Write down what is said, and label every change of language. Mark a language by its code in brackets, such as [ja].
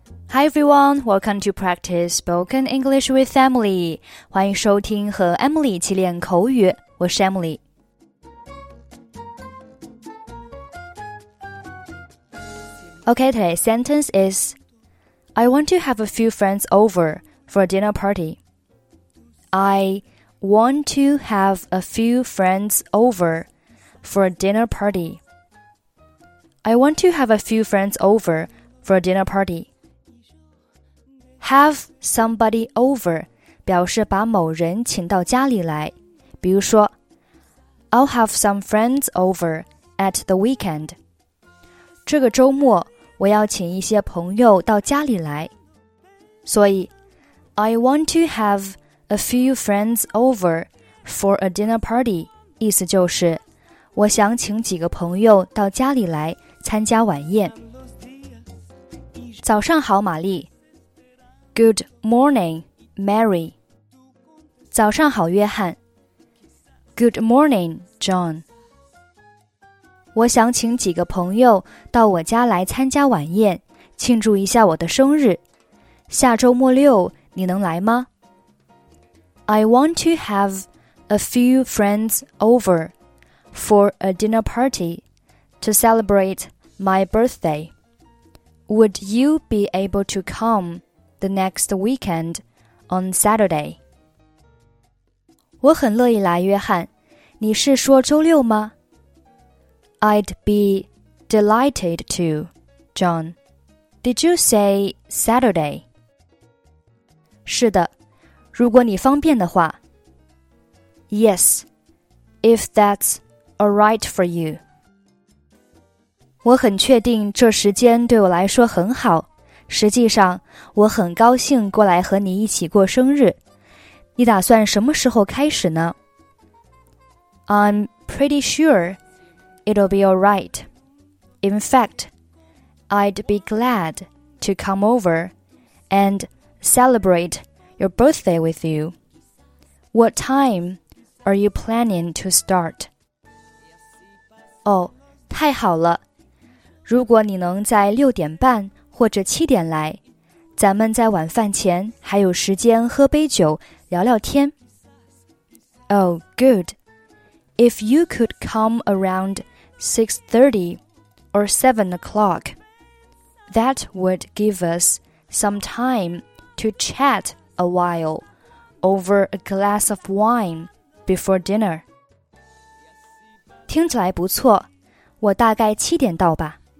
[en] Hi everyone, welcome to Practice Spoken English with Emily. [zh] 欢迎收听和 Emily 一起练口语，我是 Emily。 [en] Okay, today's sentence is, I want to have a few friends over for a dinner party. I want to have a few friends over for a dinner party. I want to have a few friends over for a dinner party. [zh] Have somebody over 表示把某人请到家里来。比如说 [en] I'll have some friends over at the weekend. [zh] 这个周末我要请一些朋友到家里来。所以 [en] I want to have a few friends over for a dinner party. [zh] 意思就是我想请几个朋友到家里来参加晚宴。早上好玛丽。 [en] Good morning, Mary. [zh] 早上好约翰。 [en] Good morning, John. [zh] 我想请几个朋友到我家来参加晚宴，庆祝一下我的生日。下周末六，你能来吗？ [en] I want to have a few friends over for a dinner party to celebrate my birthday. Would you be able to come? The next weekend on Saturday. [zh] 我很乐意来约翰。你是说周六吗? [en] I'd be delighted to, John. Did you say Saturday? [zh] 是的,如果你方便的话。 [en] Yes, if that's alright for you. [zh] 我很确定这时间对我来说很好。实际上我很高兴过来和你一起过生日。你打算什么时候开始呢? [en] I'm pretty sure it'll be alright. In fact, I'd be glad to come over and celebrate your birthday with you. What time are you planning to start? [zh] 哦,太好了。如果你能在六点半或者七点来，咱们在晚饭前还有时间喝杯酒，聊聊天。 [en] Oh, good. If you could come around 6:30 or 7 o'clock, that would give us some time to chat a while over a glass of wine before dinner. [zh] 听起来不错，我大概七点到吧。